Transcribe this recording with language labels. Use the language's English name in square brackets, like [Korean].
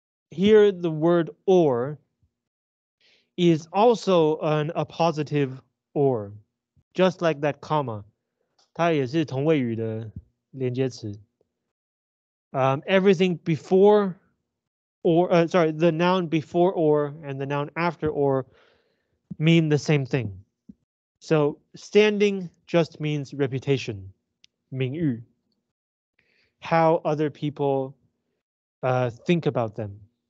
[English] Here, the word or is also an appositive or, just like that comma. [Chinese] 它也是同位语的连接词。 [English] Everything before or, sorry, the noun before or and the noun after or mean the same thing. So standing just means reputation, 名誉, how other people think about them.